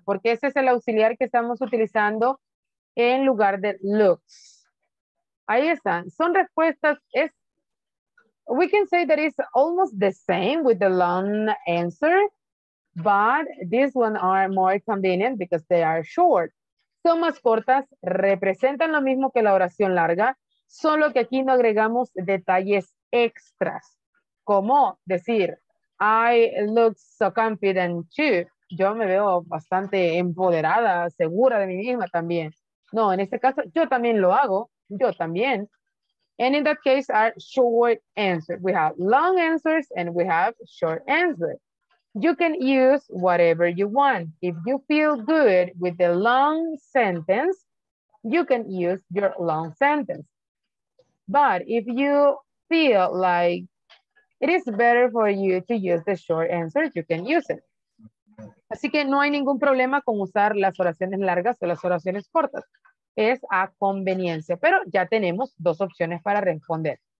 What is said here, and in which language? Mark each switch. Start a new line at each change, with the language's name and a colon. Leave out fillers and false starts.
Spanish: Porque ese es el auxiliar que estamos utilizando en lugar de looks. Ahí están. Son respuestas.
English: Es, we can say that it's almost the same with the long answer, but these ones are more convenient because they are short.
Spanish: Son más cortas, representan lo mismo que la oración larga, solo que aquí no agregamos detalles extras. Como decir,
English: I look so confident too.
Spanish: Yo me veo bastante empoderada, segura de mí misma también. No, en este caso, yo también lo hago. Yo también.
English: And in that case, are short answers. We have long answers and we have short answers. You can use whatever you want. If you feel good with the long sentence, you can use your long sentence. But if you feel like it is better for you to use the short answer, you can use it.
Spanish: Así que no hay ningún problema con usar las oraciones largas o las oraciones cortas. Es a conveniencia, pero ya tenemos dos opciones para responder.